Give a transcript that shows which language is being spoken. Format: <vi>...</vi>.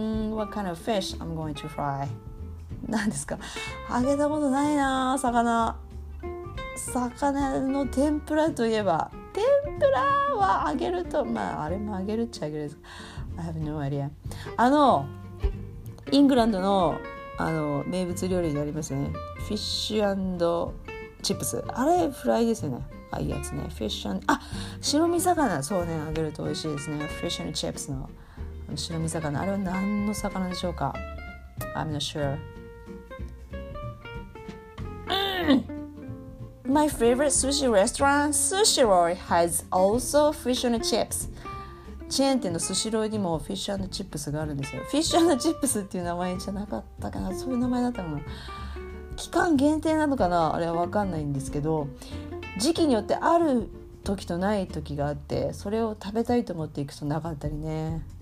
<en>What kind of fish I'm going to fry?</en> <ja>何ですか、揚げたことないな、魚。魚の天ぷらといえば、天ぷらは揚げると、まああれも揚げるっちゃ揚げるです。</ja> <en>I have no idea。</en> <ja>あのイングランド の、 あの名物料理になりますね、フィッシュ&チップス、あれフライですよね、あいいやつね、フィッシュ、あ白身魚、そうね、揚げると美味しいですね、フィッシュ&チップス の、 あの白身魚、あれは何の魚でしょうか。</ja> <en>I'm not sureMy favorite sushi restaurant, Sushiroy, has also fish and chips.</en> <ja>チェーン店のスシローにもフィッシュ&チップスがあるんですよ。フィッシュ&チップスっていう名前じゃなかったかな、そういう名前だったかな。期間限定なのかな、あれは分かんないんですけど、時期によってある時とない時があって、それを食べたいと思って行くとなかったりね。</ja>